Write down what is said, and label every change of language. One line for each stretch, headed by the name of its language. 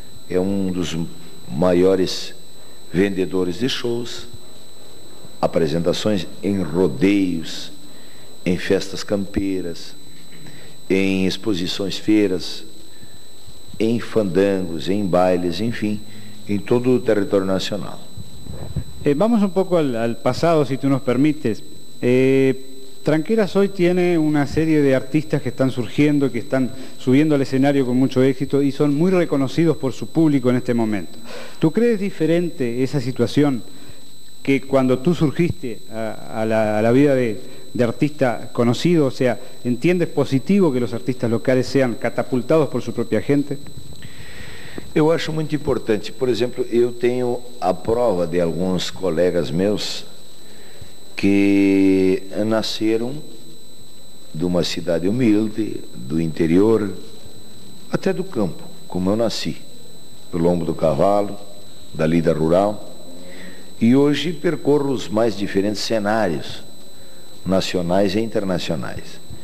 Portuguese: É um dos maiores vendedores de shows, apresentações em rodeios, em festas campeiras, em exposições feiras, em fandangos, em bailes, enfim, em todo o território nacional. Vamos um pouco ao passado, se tu nos permites.
Spanish: Tranqueras hoy tiene una serie de artistas que están surgiendo, que están subiendo al escenario con mucho éxito y son muy reconocidos por su público en este momento. ¿Tú crees diferente esa situación que cuando tú surgiste a la vida de artista conocido? O sea, ¿entiendes positivo que los artistas locales sean catapultados por su propia gente? Yo acho muy importante. Por ejemplo, yo tengo a prueba de algunos colegas míos
Portuguese: que nasceram de uma cidade humilde, do interior, até do campo, como eu nasci, do lombo do cavalo, da lida rural, e hoje percorro os mais diferentes cenários, nacionais e internacionais.